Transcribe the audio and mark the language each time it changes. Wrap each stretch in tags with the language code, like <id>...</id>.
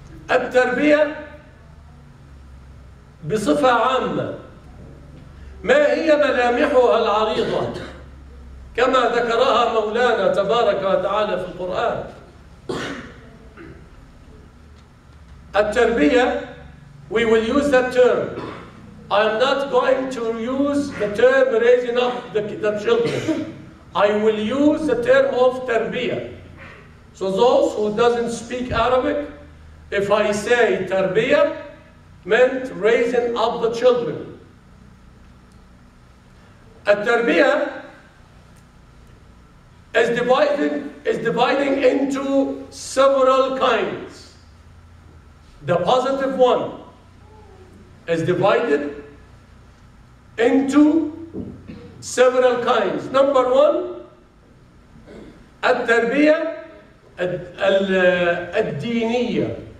<ar>التربية بصفة عامة، ما هي ملامحها العريضة كما ذكرها مولانا تبارك وتعالى في القرآن؟ التربية،</ar> <en>we will use that term. I'm not going to use the term raising up the children. I will use the term of تربية. So those who doesn't speak Arabic, if I say تربية, meant raising up the children. التربية is dividing into several kinds. The positive one is divided into several kinds. Number one, التربية الدينية.</en>